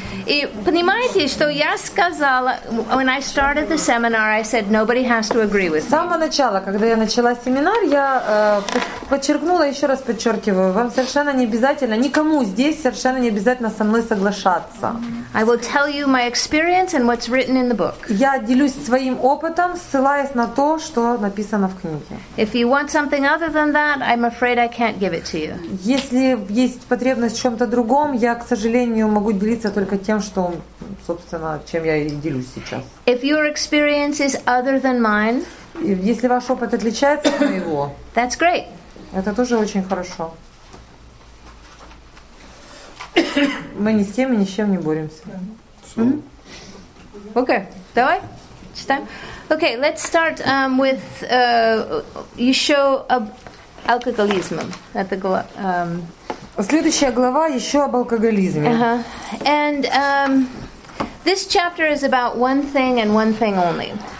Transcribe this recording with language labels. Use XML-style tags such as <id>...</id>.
<ru>И понимаете, что я сказала,</ru> <en>when I started the seminar, I said, nobody has to agree with me.</en> <ru>С самого начала, когда я начала семинар, я подчеркнула, еще раз подчеркиваю, вам совершенно не обязательно, никому здесь совершенно не обязательно со мной соглашаться.</ru> <en>I will tell you my experience and what's written in the book.</en> <ru>Я делюсь своим опытом, ссылаясь на то, что написано в книге.</ru> <en>If you want something other than that, I'm afraid I can't give it to you.</en> <ru>Если есть потребность в чем-то другом, я, к сожалению, могу делиться только тем, что, собственно, чем я и делюсь сейчас.</ru> <en>If your experience is other than mine,</en> <ru>если ваш опыт отличается от моего,</ru> <en>that's great.</en> <ru>Это тоже очень хорошо. Мы ни с кем и ни с чем не боремся. Окей, давай, читаем. Окей,</ru> <en>let's start with</en> <ru>еще об алкоголизме. Это следующая глава еще об алкоголизме.</ru> <en>And this chapter is about one thing and one thing only.</en>